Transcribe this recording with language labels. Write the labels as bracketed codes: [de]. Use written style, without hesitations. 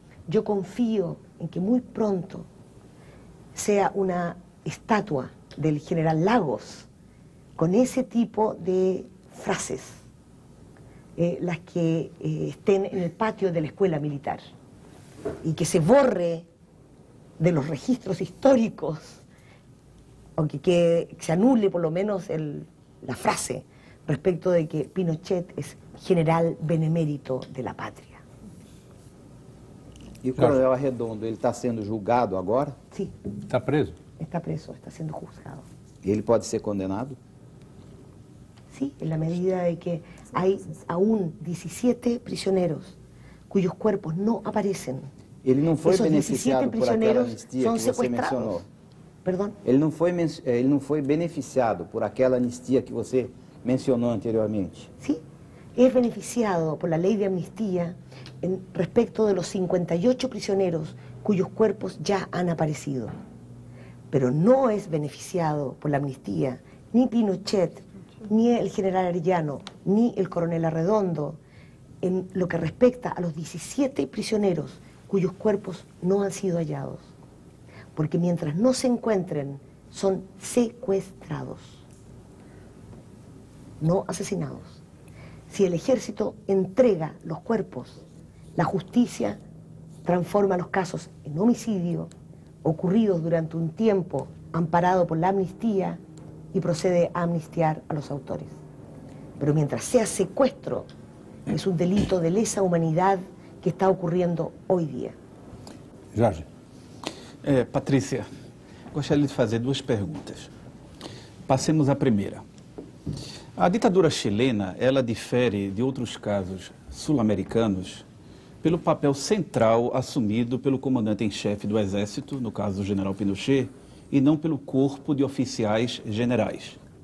[es] Yo confío en que muy pronto sea una estatua del general Lagos con ese tipo de frases, las que estén en el patio de la escuela militar, y que se borre de los registros históricos, aunque que se anule por lo menos la frase respecto de que Pinochet es general benemérito de la patria. [pt] E o coronel Arredondo, ele está sendo julgado agora? Sim. Está preso? Está preso, está sendo julgado. E ele pode ser condenado? [es] Sim, en la medida de que hay aún 17 prisioneros cuyos cuerpos no aparecen. [pt] Ele não foi beneficiado por aquela anistia que você mencionou? Perdão? Ele não foi beneficiado por aquela anistia que você mencionou anteriormente? Sim. [es] Es beneficiado por la ley de amnistía en respecto de los 58 prisioneros cuyos cuerpos ya han aparecido. Pero no es beneficiado por la amnistía ni Pinochet, ni el general Arellano, ni el coronel Arredondo en lo que respecta a los 17 prisioneros cuyos cuerpos no han sido hallados. Porque mientras no se encuentren, son secuestrados, no asesinados. Si el ejército entrega los cuerpos, la justicia transforma los casos en homicidio ocurridos durante un tiempo amparado por la amnistía y procede a amnistiar a los autores. Pero mientras sea secuestro, es un delito de lesa humanidad que está ocurriendo hoy día. Jorge. [pt] Patricia, gostaria de fazer duas perguntas. Passemos à primeira. A ditadura chilena, ela difere de outros casos sul-americanos pelo papel central assumido pelo comandante em chefe do exército, no caso do general Pinochet, e não pelo corpo de oficiais generais.